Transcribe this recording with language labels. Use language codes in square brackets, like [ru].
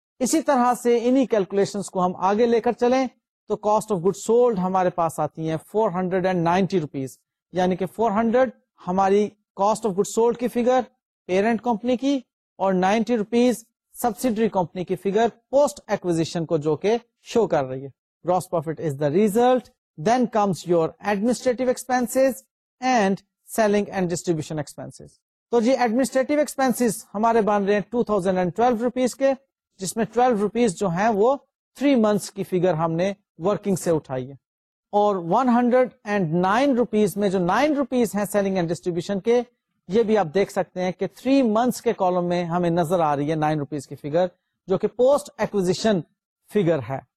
[ur] اسی طرح سے انہی کیلکولیشنز کو ہم آگے لے کر چلیں تو کاسٹ آف گڈ سولڈ ہمارے پاس آتی ہیں 490 روپیز, یعنی کہ 400 ہماری کاسٹ آف گڈ سولڈ کی فگر پیرنٹ کمپنی کی, اور 90 روپیز سبسیڈری کمپنی کی فگر پوسٹ ایکوزیشن کو جو کہ شو کر رہی ہے. [en] Gross profit is the result, then comes your administrative expenses and selling and distribution expenses. [ur] تو جی ایڈمنسٹریٹو ایکسپینسز ہمارے بن رہے ہیں 2012 روپیز کے, جس میں 12 روپیز جو ہیں وہ 3 منتھس کی فگر ہم نے ورکنگ سے اٹھائی ہے, اور 109 روپیز میں جو 9 روپیز ہیں سیلنگ اینڈ ڈسٹریبیوشن کے, یہ بھی آپ دیکھ سکتے ہیں کہ 3 منتھس کے کالم میں ہمیں نظر آ رہی ہے 9 روپیز کی فگر جو کہ پوسٹ ایکوزیشن فگر ہے.